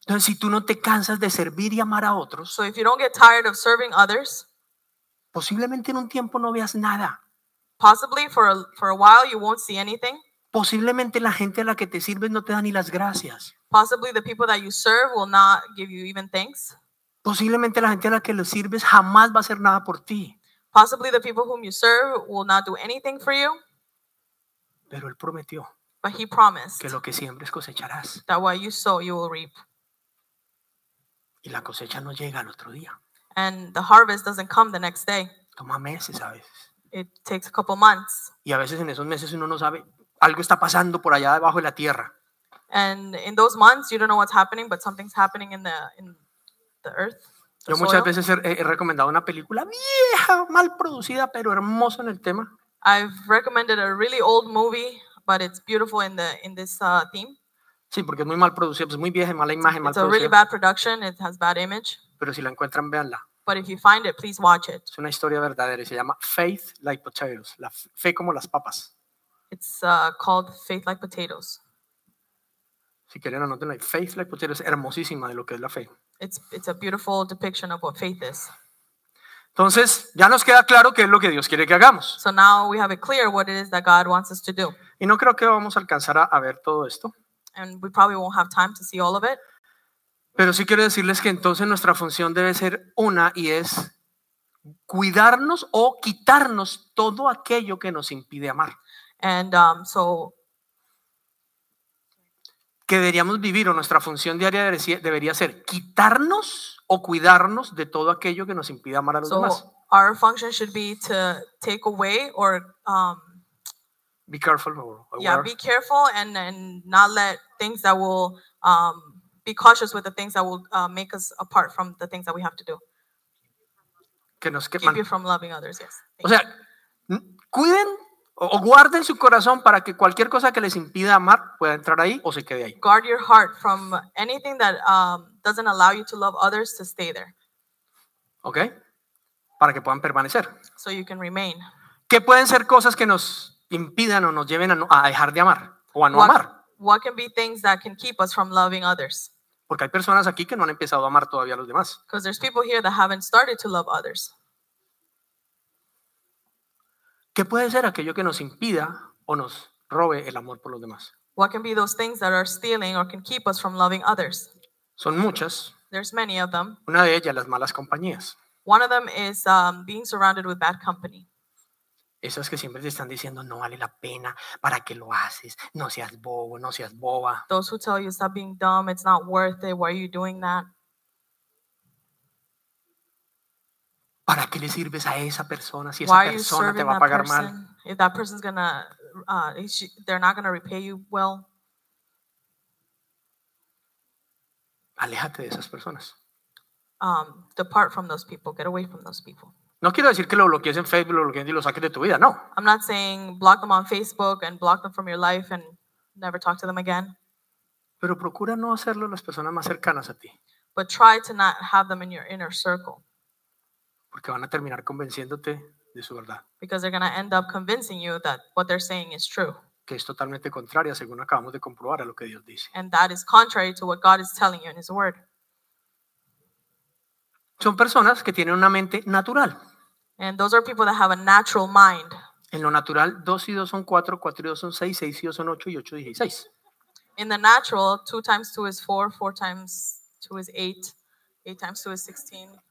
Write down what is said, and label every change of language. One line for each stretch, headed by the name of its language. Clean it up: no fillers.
Spanish: Entonces, si tú no te cansas de servir y amar a otros,
English: so if you don't get tired of serving others,
Spanish: posiblemente en un tiempo no veas nada.
English: Possibly for a while you won't see anything.
Spanish: Posiblemente la gente a la que te sirves no te da ni las gracias.
English: Possibly the people that you serve will not give you even thanks.
Spanish: Posiblemente la gente a la que le sirves jamás va a hacer nada por ti.
English: Possibly the people whom you serve will not do anything for you.
Spanish: Pero él prometió.
English: But he promised.
Spanish: Que lo que siembres cosecharás.
English: That what you sow you will reap.
Spanish: Y la cosecha no llega al otro día.
English: And the harvest doesn't come the next day.
Spanish: Toma meses a veces.
English: It takes a couple months.
Spanish: Y a veces en esos meses uno no sabe, algo está pasando por allá debajo de la tierra.
English: And in those months you don't know what's happening, but something's happening in the earth.
Spanish: Yo muchas veces he recomendado una película vieja, mal producida, pero hermosa en el tema.
English: I've recommended a really old movie, but it's beautiful in the in this theme.
Spanish: Sí, porque es muy mal producida, es muy vieja, mala imagen, mal producida.
English: It's a really bad production, it has bad image.
Spanish: Pero si la encuentran, véanla.
English: But if you find it, please watch it.
Spanish: Es una historia verdadera y se llama Faith Like Potatoes, la fe como las papas.
English: It's called Faith Like Potatoes.
Spanish: Si quieren, anótenla. Faith Like Potatoes, hermosísima de lo que es la fe.
English: It's a beautiful depiction of what faith is.
Spanish: Entonces, ya nos queda claro qué es lo que Dios quiere que hagamos.
English: So now we have it clear what it is that God wants us to do.
Spanish: Y no creo que vamos a alcanzar a ver todo esto.
English: And we probably won't have time to see all of it.
Spanish: Pero sí quiero decirles que entonces nuestra función debe ser una y es cuidarnos o quitarnos todo aquello que nos impide amar.
English: And so
Spanish: que deberíamos vivir o nuestra función diaria debería ser quitarnos o cuidarnos de todo aquello que nos impide amar a los demás.
English: Our function should be to take away or be careful. Be careful and not let things that will be cautious with the things that will make us apart from the things that we have to do.
Spanish: Que nos
English: keep you from loving others. Yes.
Spanish: O sea, cuiden o guarden su corazón para que cualquier cosa que les impida amar pueda entrar ahí o se quede ahí.
English: Guard your heart from anything that doesn't allow you to love others to stay there. Okay.
Spanish: Para que puedan permanecer.
English: So you can remain.
Spanish: ¿Qué pueden ser cosas que nos impidan o nos lleven a dejar de amar o a no amar?
English: What can be things that can keep us from loving others?
Spanish: Porque hay personas aquí que no han empezado a amar todavía a los demás.
English: Because there's people here that haven't started to love others.
Spanish: ¿Qué puede ser aquello que nos impida o nos robe el amor por los demás?
English: What can be those things that are stealing or can keep us from loving others?
Spanish: Son muchas.
English: There's many of them.
Spanish: Una de ellas, las malas compañías.
English: One of them is being surrounded with bad company.
Spanish: Esas que siempre te están diciendo, no vale la pena, ¿para qué lo haces? No seas bobo, no seas boba.
English: Those who tell you, stop being dumb, it's not worth it, why are you doing that?
Spanish: ¿Para qué le sirves a esa persona si esa persona te va a pagar mal?
English: If that person's gonna, they're not gonna repay you well.
Spanish: Aléjate de esas personas.
English: Depart from those people. Get away from those people.
Spanish: No quiero decir que lo bloquees en Facebook, lo bloquees y lo saques de tu vida. No.
English: I'm not saying block them on Facebook and block them from your life and never talk to them again.
Spanish: Pero procura no hacerlo a las personas más cercanas a ti.
English: But try to not have them in your inner circle.
Spanish: Porque van a terminar convenciéndote de su verdad.
English: Because they're going to end up convincing you that what they're saying is true.
Spanish: Que es totalmente contraria, según acabamos de comprobar, a lo que Dios dice.
English: And that is contrary to what God is telling you in His Word.
Spanish: Son personas que tienen una mente natural.
English: And those are people that have a natural mind.
Spanish: En lo natural, 2 y 2 son 4, 4 y 2 son 6, 6 y 2 son 8 y 8 y 16.
English: In the natural, 2 times 2 is 4, 4 times 2 is 8, 8 times 2 is 16.